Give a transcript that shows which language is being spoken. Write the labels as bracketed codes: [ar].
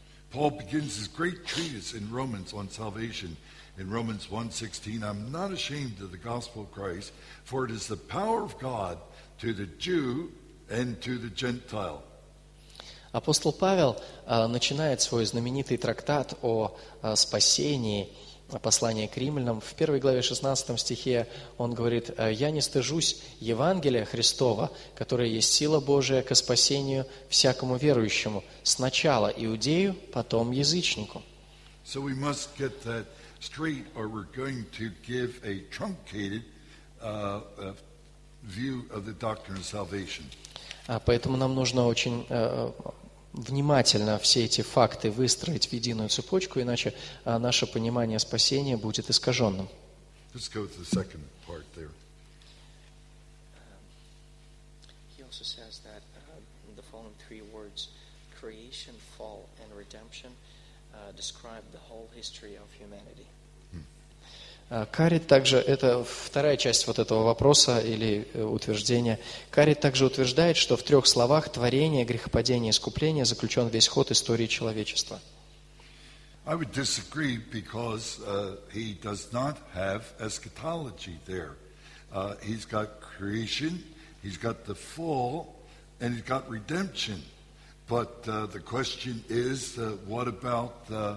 [en] Paul begins his great treatise in Romans on salvation. In Romans 1:16, I'm not ashamed of the gospel of Christ, for it is the power of God to the Jew and to the Gentile. [ru] Апостол Павел начинает свой знаменитый трактат о спасении, послание к римлянам. В 1 главе 16 стихе он говорит, «Я не стыжусь Евангелия Христова, которое есть сила Божия ко спасению всякому верующему, сначала иудею, потом язычнику». [en] So we must get that straight, or we're going to give a truncated view of the doctrine of salvation. [ru] Поэтому нам нужно очень внимательно все эти факты выстроить в единую цепочку, иначе наше понимание спасения будет искаженным. [en] Let's go to the second part there. He also says that the following three words, creation, fall, and redemption, describe the whole history of humanity. [ru] Карит также, это вторая часть вот этого вопроса или утверждения. Карит также утверждает, что в трех словах творение, грехопадение, искупление заключен весь ход истории человечества. [en] I would disagree because he does not have eschatology there. He's got creation, he's got the fall, and he's got redemption. But the question is, what about